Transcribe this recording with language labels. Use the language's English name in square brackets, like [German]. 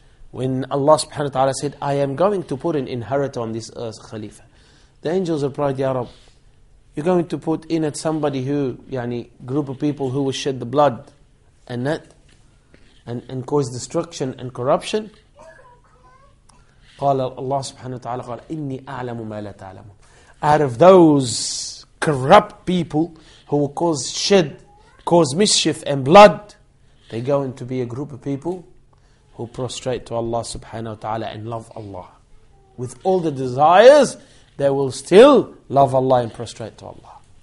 [English] When Allah subhanahu wa ta'ala said, I am going to put an inheritor on this earth, Khalifa. The angels replied, Ya Rab, you're going to put in it somebody who, yani, group of people who will shed the blood and that, and cause destruction and corruption. [Arabic] قال Allah subhanahu wa ta'ala, قال, إني أعلم ما لا تعلم. [English] Out of those corrupt people who will cause mischief and blood, they're going to be a group of people who prostrate to Allah subhanahu wa ta'ala and love Allah. With all the desires, they will still love Allah and prostrate to Allah.